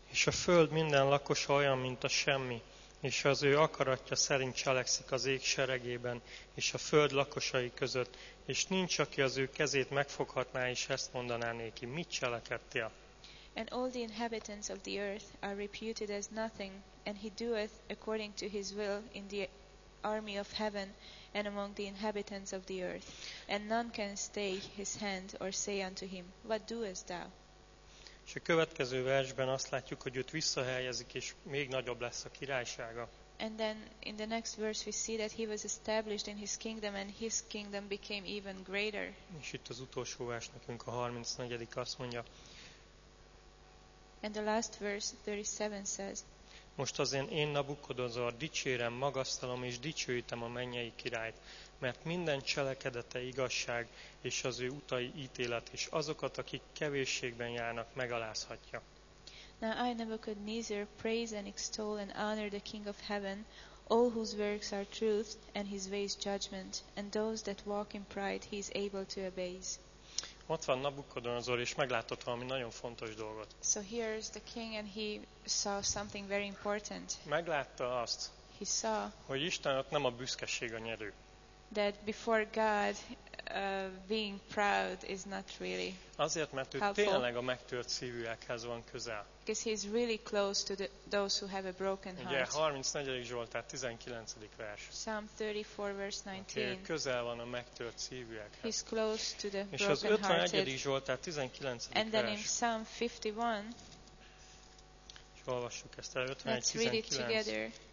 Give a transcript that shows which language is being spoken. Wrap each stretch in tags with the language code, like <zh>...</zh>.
<hu>És a föld minden lakosa olyan, mint a semmi, és az ő akaratja szerint cselekszik az ég seregében, és a föld lakosai között, és nincs, aki az ő kezét megfoghatná, és ezt mondaná néki, mit cselekedtél?</hu> <en>And all the inhabitants of the earth are reputed as nothing, and he doeth according to his will in the army of heaven and among the inhabitants of the earth, and none can stay his hand or say unto him, what doest thou?</en> <hu>És a következő versben azt látjuk, hogy őt visszahelyezik, és még nagyobb lesz a királysága.</hu> <en>And then in the next verse we see that he was established in his kingdom, and his kingdom became even greater.</en> <hu>És itt az utolsó vers nekünk, a 34. azt mondja.</hu> <en>And the last verse, 37, says,</en> <hu>most az én Nabukodonozor, dicsérem, magasztalom és dicsőítem a mennyei királyt, mert minden cselekedete igazság, és az ő utai ítélet, és azokat, akik kevésségben járnak, megalázhatja.</hu> <en>Now I, Nabuchodonosor, praise and extol and honor the King of Heaven, all whose works are truth, and his ways judgment, and those that walk in pride he is able to abase.</en> <hu>Ott van Nabukodonozor, és meglátott valami nagyon fontos dolgot.</hu> <en>So here is the king, and he saw something very important.</en> <hu>Meglátta azt,</hu> <en>he saw,</en> <hu>hogy Isten ott nem a büszkeség a nyerő.</hu> <en>That before God, being proud is not really.</en> <hu>Azért, mert ő tényleg a megtört szívűekhez van közel.</hu> <en>Because he's really close to those who have a broken heart.</en> <hu>Ugye, 34. Zsoltár 19. vers.</hu> <en>Psalm 34 verse 19.</en> <hu>Okay, közel van a megtört szívűekhez.</hu> <en>He's close to the broken hearted.</en> <hu>És az 51. Zsoltár 19.</hu> <en>And then in Psalm 51.</en> <hu>És olvassuk ezt el, 51:19.</hu>